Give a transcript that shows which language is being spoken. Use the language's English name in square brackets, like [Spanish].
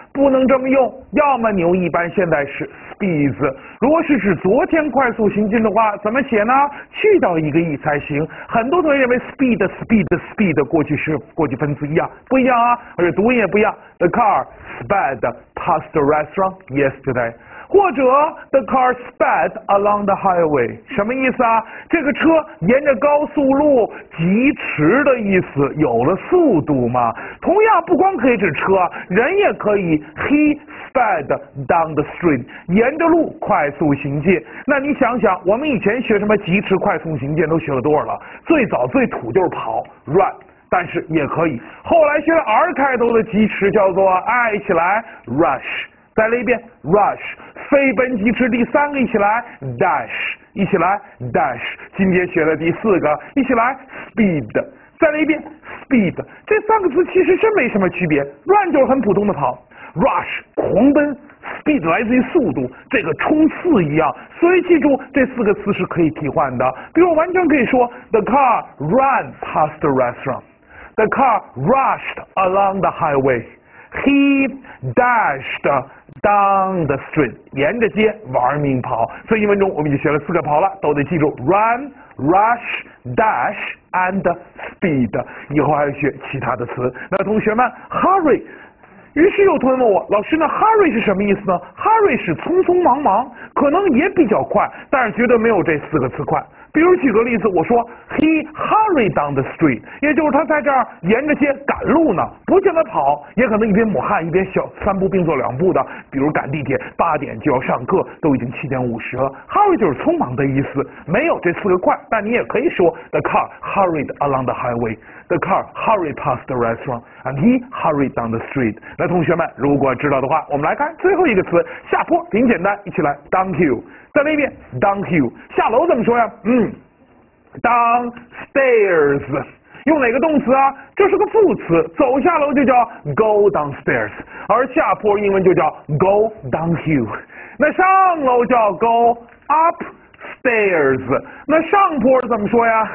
[Chinese] 不能这么用，要么你用一般现在时 speeds， 如果是指昨天快速行进的话，怎么写呢？去掉一个 e 才行。很多同学认为 speed speed speed 过去时过去分词一样，不一样啊，而且读音也不一样。 [English] The car sped past the restaurant yesterday。或者 the car sped along the highway， [Chinese] 什么意思啊？这个车沿着高速路疾驰的意思，有了速度嘛。同样不光可以指车，人也可以， [English] he sped down the street， [Chinese] 沿着路快速行进。那你想想，我们以前学什么疾驰快速行进都学了多少了，最早最土就是跑 run，但是也可以，后来学了 R 开头的疾驰叫做爱起来 rush，再来一遍 rush，飞奔疾驰，第三个一起来 dash， 一起来 dash， 今天学了第四个一起来 speed， 再来一遍 speed， 这三个词其实真没什么区别， run 就是很普通的跑， rush 狂奔， speed 来自于速度，这个冲刺一样，所以记住这四个词是可以替换的。比如完全可以说 [English] the car ran past the restaurant， the car rushed along the highwayHe dashed down the street， [Chinese] 沿着街玩命跑。所以一分钟我们已经学了四个跑了，都得记住 [English] run rush dash and speed， [Chinese] 以后还要学其他的词。那同学们 hurry， 于是又同学问我，老师那 hurry 是什么意思呢？ hurry 是匆匆忙忙，可能也比较快，但是绝对没有这四个词快。比如举个例子，我说 [English] he hurried down the street， [Chinese] 也就是他在这儿沿着街赶路呢，不见得跑，也可能一边抹汗一边小三步并作两步的，比如赶地铁八点就要上课，都已经七点五十了。 hurry 就是匆忙的意思，没有这四个快，但你也可以说 [English] the car hurried along the highway， the car hurried past the restaurant and he hurried down the street。 [Chinese] 那同学们如果知道的话，我们来看最后一个词，下坡挺简单，一起来 thank you，再来一遍 thank you， 下楼怎么说呀？嗯 downstairs， 用哪个动词啊？这是个副词，走下楼就叫 go downstairs， 而下坡英文就叫 go downhill， 那上楼叫 go upstairs， 那上坡怎么说呀？